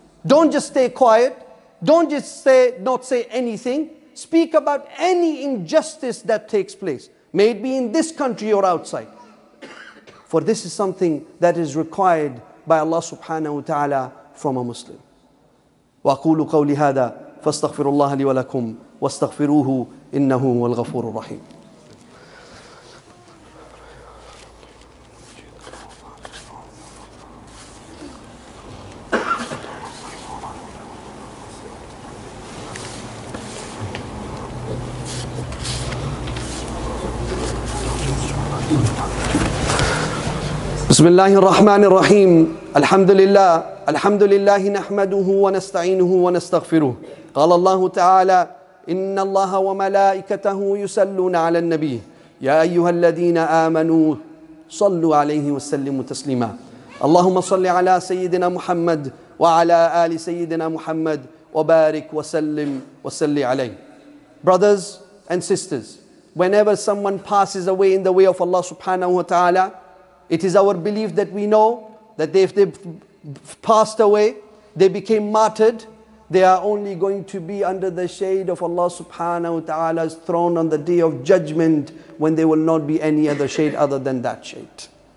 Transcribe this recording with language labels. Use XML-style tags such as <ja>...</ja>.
<en>Don't just stay quiet. Don't just say, not say anything. Speak about any injustice that takes place, may it be in this country or outside. For this is something that is required by Allah subhanahu wa ta'ala from a Muslim.</en> <ar>وأقول قولي هذا فاستغفر الله لي ولكم واستغفروه إنه هو الغفور الرحيم. بسم الله الرحمن الرحيم الحمد لله الحمد لله نحمده ونستعينه ونستغفره قال الله تعالى إن الله وملائكته يصلون على النبي يا أيها الذين آمنوا صلوا عليه وسلموا تسليما اللهم صل على سيدنا محمد وعلى آل سيدنا محمد وبارك وسلم وصلي عليه.</ar> <en>Brothers and sisters, whenever someone passes away in the way of Allah subhanahu wa ta'ala, it is our belief that we know that if they passed away, they became martyred, they are only going to be under the shade of Allah subhanahu wa ta'ala's throne on the day of judgment, when there will not be any other shade other than that shade.</en>